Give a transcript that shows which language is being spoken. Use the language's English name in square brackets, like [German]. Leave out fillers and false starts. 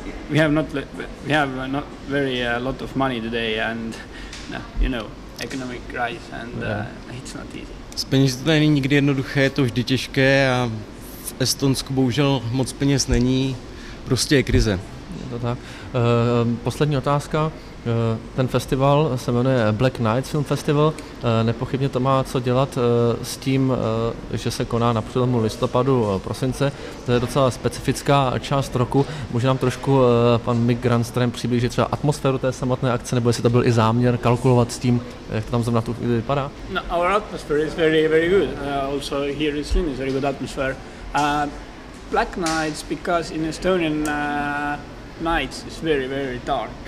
[English] We have not very lot of money today, and you know, economic crisis, and it's not easy. [Czech] S penězi to není nikdy jednoduché, je to vždy těžké a v Estonsku bohužel moc peněz není, prostě je krize. Je to tak. Poslední otázka. Ten festival se jmenuje Black Nights Film Festival. Nepochybně to má co dělat s tím, že se koná na přelomu listopadu prosince. To je docela specifická část roku. Může nám trošku pan Mick Granström přiblížit třeba atmosféru té samotné akce, nebo jestli to byl i záměr kalkulovat s tím, jak to tam zrovna tu chvíli vypadá? [English] No, our atmosphere is very, very good. Also here in Slin is very good atmosphere. Black Nights, because in Estonian nights it's very, very dark.